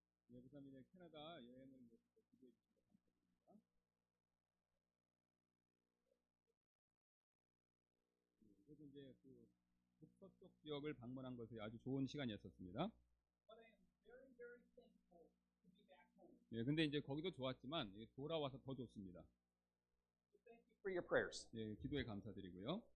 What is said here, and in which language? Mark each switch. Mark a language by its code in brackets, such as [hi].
[ko] 예, 그다음에 이제 캐나다 여행을 위해서 기도해 주시고 감사드립니다. 예, 그래서 이제 그 북서쪽 지역을 방문한 것에 아주 좋은 시간이었었습니다. [en] But I am very, very thankful to be back home. [ko] 예, 근데 이제 거기도 좋았지만 돌아와서 더 좋습니다. [en] Thank you for your prayers. [ko] 예, 기도에 감사드리고요.